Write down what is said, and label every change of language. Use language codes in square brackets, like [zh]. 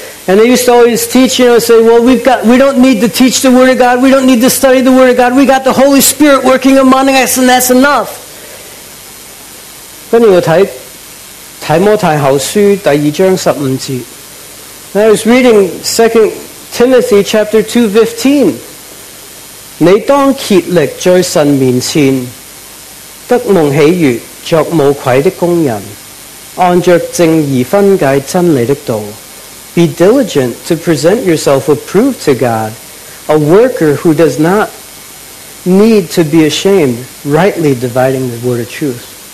[en] And they used to always teach, you know, say, well, we don't need to teach the Word of God, we don't need to study the Word of God, we got the Holy Spirit working among us and that's enough. [zh] 跟住我睇提摩太后书第二章十五节。 [en] I was reading 2 Timothy chapter 2:15. [zh] 你当竭力在神面前 得蒙喜悅，作无愧的工人，按着正义分解真理的道， [en] Be diligent to present yourself approved to God, a worker who does not need to be ashamed, rightly dividing the word of truth.